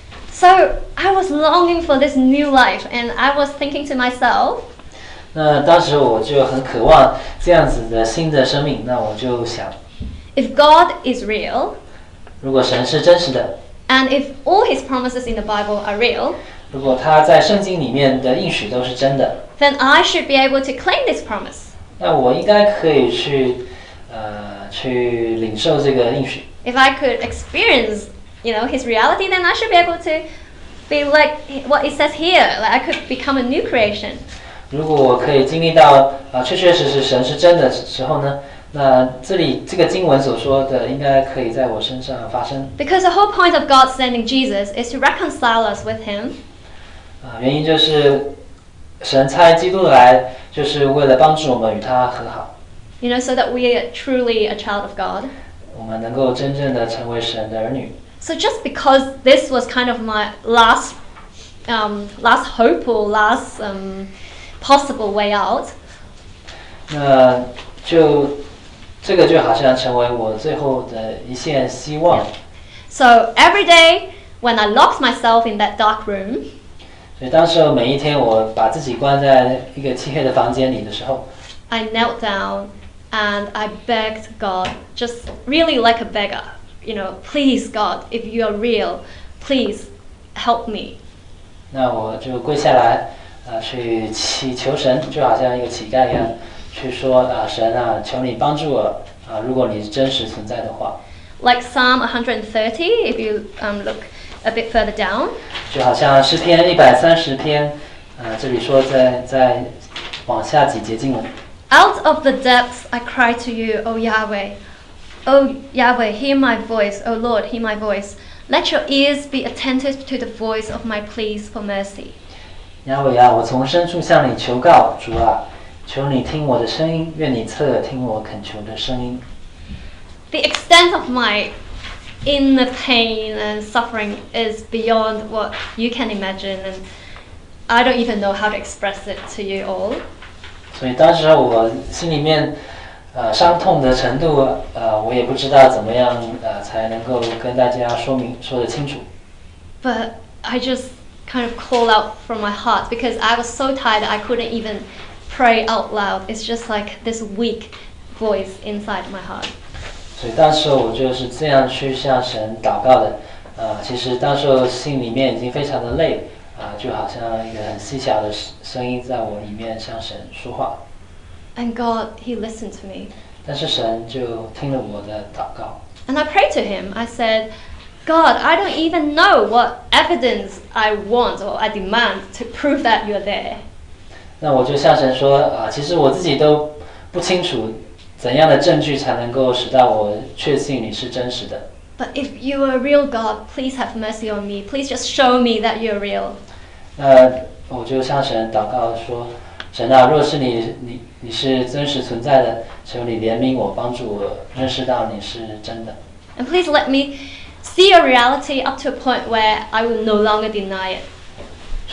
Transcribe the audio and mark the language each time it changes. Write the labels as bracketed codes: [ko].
[en] So I was longing for this new life, and I was thinking to myself. [zh] 那当时我就很渴望这样子的新的生命。那我就想 [en] ，If God is real, [zh] 如果神是真实的 [en] ，and if all His promises in the Bible are real, [zh] 如果他在圣经里面的应许都是真的 [en] ，then I should be able to claim this promise. [zh] 那我应该可以去领受这个应许。 [en] If I could experience. You know, his reality, then I should be able to be like what it says here, like I could become a new creation. [zh] 如果我可以经历到确确实实神是真的时候呢，那这里这个经文所说的应该可以在我身上发生。 [en] Because the whole point of God sending Jesus is to reconcile us with him. [zh] 原因就是神差基督来就是为了帮助我们与他和好。 [en] You know, so that we are truly a child of God. [zh] 我们能够真正的成为神的儿女。 [en] So just because this was kind of my last, last hope or last possible way out. [zh] 那就这个就好像成为我最后的一线希望。 [en] So every day when I locked myself in that dark room. [zh] 所以当时每一天我把自己关在一个漆黑的房间里的时候。 [en] I knelt down and I begged God, just really like a beggar. You know, please God, if you are real, please help me. [zh] 那我就跪下来，去祈求神，就好像一个乞丐一样，去说，神啊，求你帮助我，如果你真实存在的话。 [en] Like Psalm 130, if you look a bit further down. [zh] 就好像诗篇130篇，这里说在往下几节经文。 [en] Out of the depths, I cry to you, O Yahweh. O Yahweh, hear my voice. O Lord, hear my voice. Let your ears be attentive to the voice of my pleas for mercy. [zh] Yahweh, 我从深处向你求告，主啊，求你听我的声音，愿你侧耳听我恳求的声音。 [en] The extent of my inner pain and suffering is beyond what you can imagine, and I don't even know how to express it to you all. [zh] 所以当时我心里面。伤痛的程度，我也不知道怎么样，才能够跟大家说明说得清楚。 [en] But I just kind of call out from my heart because I was so tired I couldn't even pray out loud. It's just like this weak voice inside my heart. [zh] 所以当时我就是这样去向神祷告的，其实当时心里面已经非常的累，就好像一个很细小的声音在我里面向神说话。 [en] And God, He listened to me. [zh] 但是神就听了我的祷告。 [en] And I prayed to Him. I said, God, I don't even know what evidence I want or I demand to prove that you're there. [zh] 那我就向神说，其实我自己都不清楚怎样的证据才能够使到我确信你是真实的？ [en] But if you are a real God, please have mercy on me. Please just show me that you are real. [zh] 那我就向神祷告说，神啊，若是你是真实存在的，求你怜悯我，帮助我认识到你是真的。 [en] And please let me see your reality up to a point where I will no longer deny it.